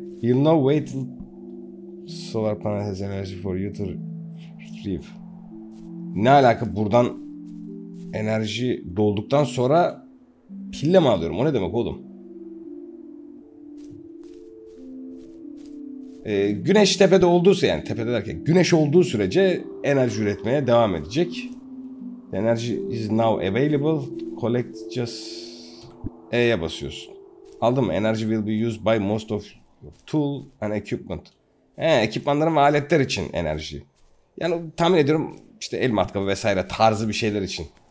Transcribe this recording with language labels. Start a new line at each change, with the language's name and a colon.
English: You'll know wait till solar panel has energy for you to retrieve.
Turkish: Ne alaka, buradan enerji dolduktan sonra pille mi alıyorum? O ne demek oğlum? Güneş tepede olduysa, yani tepede derken güneş olduğu sürece enerji üretmeye devam edecek.
English: Energy is now available. Collect just
Turkish: E'ye basıyorsun. Aldın mı?
English: Energy will be used by most of your tool and equipment.
Turkish: Ekipmanların ve aletler için enerji. Yani tahmin ediyorum işte el matkabı vesaire tarzı bir şeyler için.